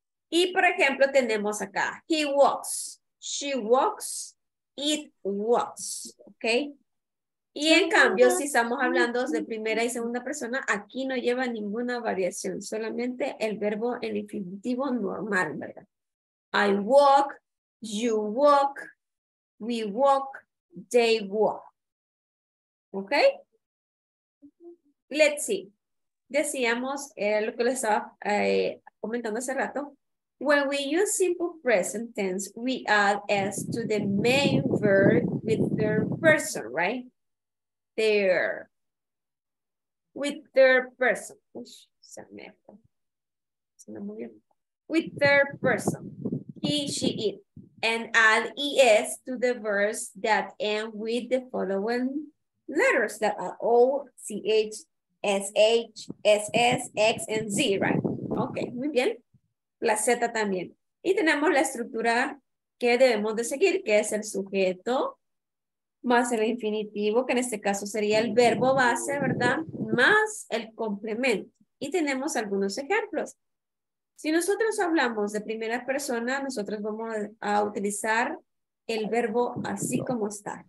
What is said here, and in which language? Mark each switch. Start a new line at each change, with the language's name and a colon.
Spanish: Y por ejemplo, tenemos acá,
English: he walks, she walks, it walks,
Spanish: ¿ok? Y en cambio, si estamos hablando de primera y segunda persona, aquí no lleva ninguna variación, solamente el verbo en infinitivo normal, ¿verdad?
English: I walk, you walk, we walk, they walk. ¿Ok? Let's see.
Spanish: Decíamos lo que les estaba comentando hace rato.
English: When we use simple present tense, we add S to the main verb with third person, right? There. With third person.
Spanish: Uy, se me fue. Suena muy bien.
English: With third person. He, she, it. And add ES to the verbs that end with the following letters that are O, C, H, S, H, S, S, X, and Z, right?
Spanish: Ok, muy bien. La Z también. Y tenemos la estructura que debemos de seguir, que es el sujeto más el infinitivo, que en este caso sería el verbo base, ¿verdad? Más el complemento. Y tenemos algunos ejemplos. Si nosotros hablamos de primera persona, nosotros vamos a utilizar el verbo así como está.